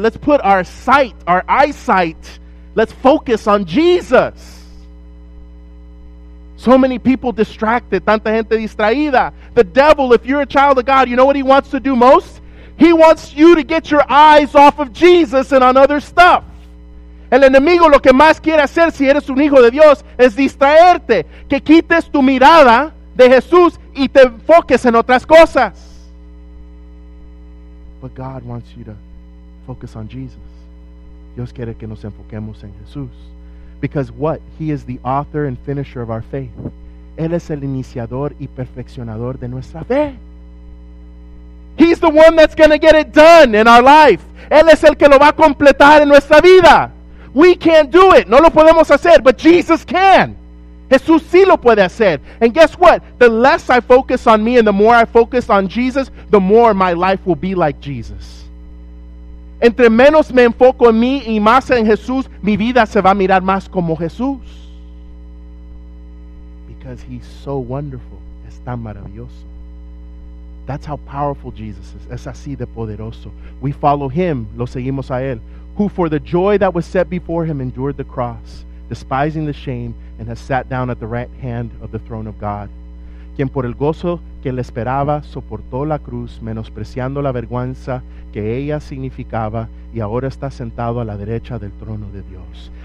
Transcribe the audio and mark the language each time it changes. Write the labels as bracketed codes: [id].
[en] Let's put our sight, our eyesight, let's focus on Jesus. So many people distracted, [es] tanta gente distraída. [en] The devil, if you're a child of God, you know what he wants to do most? He wants you to get your eyes off of Jesus and on other stuff. [es] El enemigo lo que más quiere hacer si eres un hijo de Dios es distraerte. Que quites tu mirada de Jesús y te enfoques en otras cosas. [en] But God wants you to focus on Jesus. [es] Dios quiere que nos enfoquemos en Jesús. [en] Because what? He is the author and finisher of our faith. [es] Él es el iniciador y perfeccionador de nuestra fe. [en] He's the one that's going to get it done in our life. [es] Él es el que lo va a completar en nuestra vida. [en] We can't do it. [es] No lo podemos hacer, [en] but Jesus can. [es] Jesús sí lo puede hacer. [en] And guess what? The less I focus on me and the more I focus on Jesus, the more my life will be like Jesus. [es] Entre menos me enfoco en mí y más en Jesús, mi vida se va a mirar más como Jesús. [en] Because he's so wonderful. [es] Es tan maravilloso. [en] That's how powerful Jesus is. [es] Es así de poderoso. [en] We follow him. [es] Lo seguimos a él. [en] Who for the joy that was set before him endured the cross, despising the shame, and has sat down at the right hand of the throne of God. [es] Quien por el gozo que le esperaba soportó la cruz, menospreciando la vergüenza que ella significaba, y ahora está sentado a la derecha del trono de Dios.